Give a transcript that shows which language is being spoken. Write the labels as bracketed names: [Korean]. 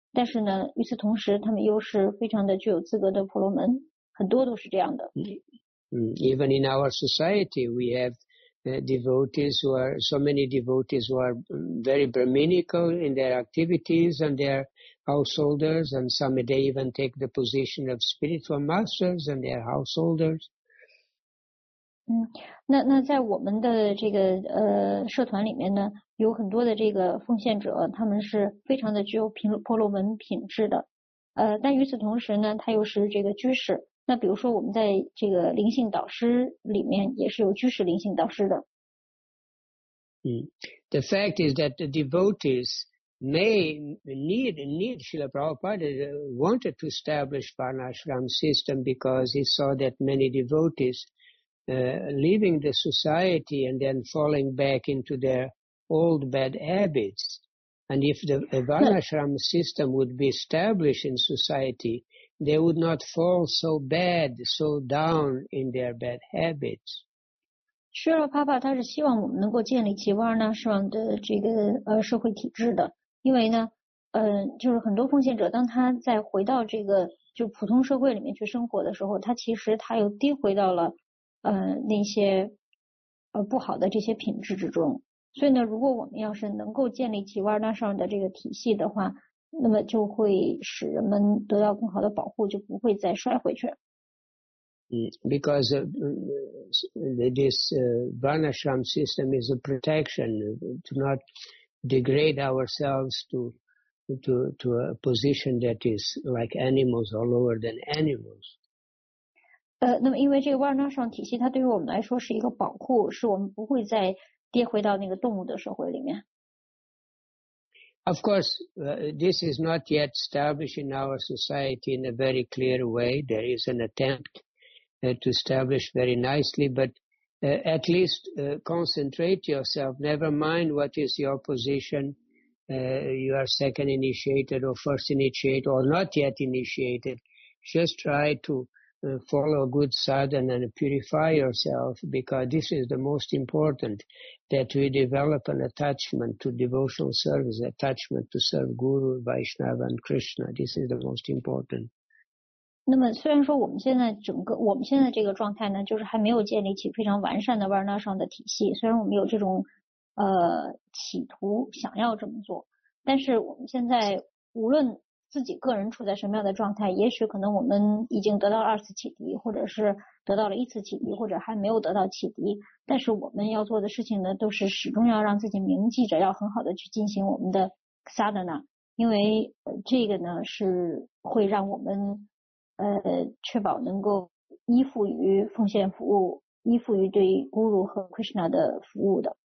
[Chinese] 但是呢，与此同时，他们又是非常的具有资格的婆罗门，很多都是这样的。 [English] Even in our society, we have devotees who are so many devotees who are very brahminical in their activities and their householders, and some they even take the position of spiritual masters and their householders. [Chinese] 那在我们的这个社团里面呢，有很多的这个奉献者，他们是非常的具有婆罗门品质的，但与此同时呢，他又是这个居士。那比如说，我们在这个灵性导师里面也是有居士灵性导师的。 [English] The fact is that the devotees may need Srila Prabhupada wanted to establish Varnashram system because he saw that many devotees leaving the society and then falling back into their old bad habits. And if the Varnashram system would be established in society, they would not fall so bad, so down in their bad habits. [Chinese] Srila Prabhupada 他是希望我们能够建立起 Varnashram 的这个社会体制的，因为呢，就是很多奉献者当他在回到这个就普通社会里面去生活的时候，他其实他又跌回到了那些不好的这些品质之中。所以呢，如果我们要是能够建立起 Varnashram 的这个体系的话，那么就会使人们得到更好的保护，就不会再摔回去。 [English] Because this Varnashram system is a protection to not degrade ourselves to a position that is like animals or lower than animals. [Chinese] 那么因为这个 Varnashram 体系它对于我们来说是一个保护，是我们不会再跌回到那个动物的社会里面。 [English] Of course, this is not yet established in our society in a very clear way. There is an attempt to establish very nicely, but at least concentrate yourself. Never mind what is your position. You are second initiated or first initiated or not yet initiated. Just try to follow a good sadhana and purify yourself, because this is the most important, that we develop an attachment to devotional service, attachment to serve Guru, Vaishnava and Krishna. This is the most important. [Chinese] 那么虽然说我们现在整个我们现在这个状态呢，就是还没有建立起非常完善的 Varnashram 的体系，虽然我们有这种企图想要这么做，但是我们现在无论自己个人处在什么样的状态，也许可能我们已经得到二次启迪，或者是得到了一次启迪，或者还没有得到启迪，但是我们要做的事情呢，都是始终要让自己铭记着，要很好的去进行我们的 sadhana， 因为这个呢是会让我们确保能够依附于奉献服务，依附于对 Guru 和 Krishna 的服务的。